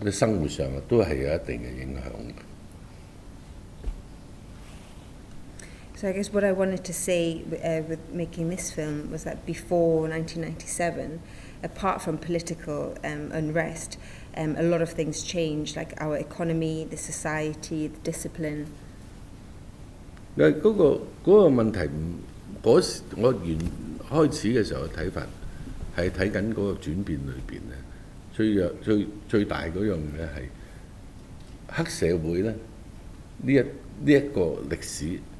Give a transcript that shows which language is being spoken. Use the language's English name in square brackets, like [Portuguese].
[Cantonese] 咁就喺呢個戲裏邊，其實我最想講嘅嘢就係話，喺成個香港嘅97年之後，香港嘅變化，除咗喺政治上嘅變化之外，喺教育、金融或者係生活上都係有一定嘅影響。 [English] So I guess what I wanted to say with making this film was that before 1997, apart from political unrest, a lot of things changed, like our economy, the society, the discipline. [Cantonese] 那個問題，我原開始嘅時候嘅睇法係睇緊嗰個轉變裏邊咧，最大嗰樣嘢係黑社會咧，呢一個歷史。